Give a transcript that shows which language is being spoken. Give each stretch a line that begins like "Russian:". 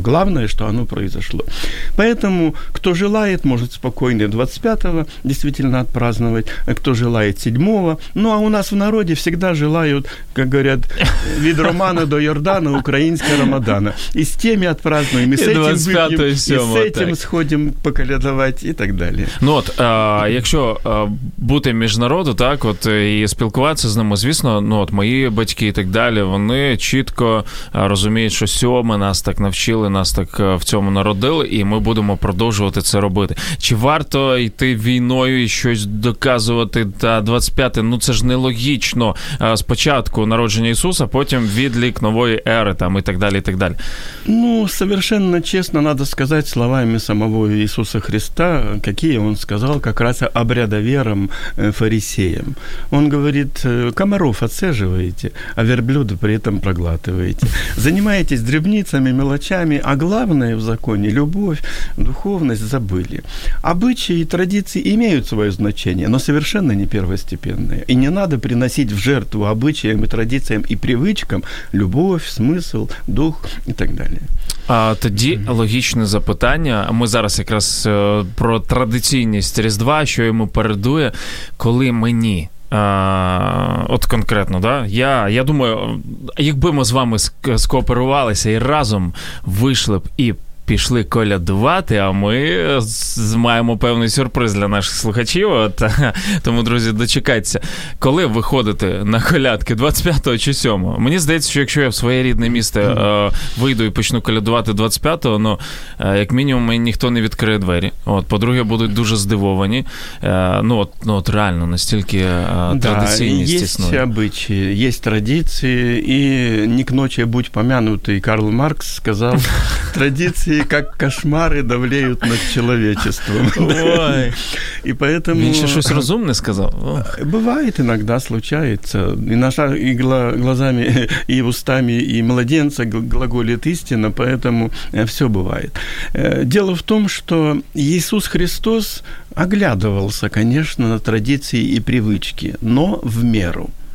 Russian: Главное, что оно произошло. Поэтому, кто желает, может спокойно 25-го действительно отпраздновать, кто желает 7-го. Ну, а у нас в народе всегда желают, как говорят,
Ukrainian: від Романа до Йордана,
Russian: украинский Рамадана. И с теми отпразднуем, и с этим выпьем, и с этим сходим поколядовать и так далі.
Ukrainian: Ну, от, якщо бути між народу, так, от, і спілкуватися з ними, звісно, ну, от, мої батьки і так далі, вони чітко розуміють, що сьоме нас так навчили, нас так в цьому народили, і ми будемо продовжувати це робити. Чи варто йти війною і щось доказувати та 25-те? Ну, це ж нелогічно. Спочатку народження Ісуса, потім відлік нової ери, там, і так далі, і так далі. Ну, совершенно чесно, надо сказати словами самого Ісуса Христа, які він сказав
Russian: как раз
Ukrainian: обрядоверам, фарисеям.
Russian: Он говорит, комаров отсеживаете, а верблюда при этом проглатываете. Занимаетесь дребницами, мелочами, а главное в законе – любовь, духовность забыли. Обычаи и традиции имеют свое значение, но совершенно не первостепенные. И не надо приносить в жертву обычаям и традициям и привычкам любовь, смысл, дух и так далее.
Ukrainian: А тоді логічне запитання. Ми зараз якраз про традиційність Різдва, що йому передує, коли мені. От конкретно, да? Я думаю, якби ми з вами скооперувалися і разом вийшли б і пішли колядувати, а ми маємо певний сюрприз для наших слухачів, от, тому, друзі, дочекайтеся. Коли виходити на колядки? 25-го чи 7-го? Мені здається, що якщо я в своє рідне місто вийду і почну колядувати 25-го, ну, як мінімум, мені ніхто не відкриє двері. От, по-друге, будуть дуже здивовані. Ну, от реально, настільки традиційність існує. Так, є обичаї, є традиції, і не к ночі будь пом'янутий Карл Маркс сказав, традиції
Russian: и как кошмары давлеют над человечеством. Ой. И поэтому... Меньше что-то разумное сказал. Ох. Бывает иногда, случается. И наша и глазами, и устами, и младенца глаголит истина, поэтому все бывает. Дело в том, что Иисус Христос оглядывался, конечно, на традиции и привычки, но в меру.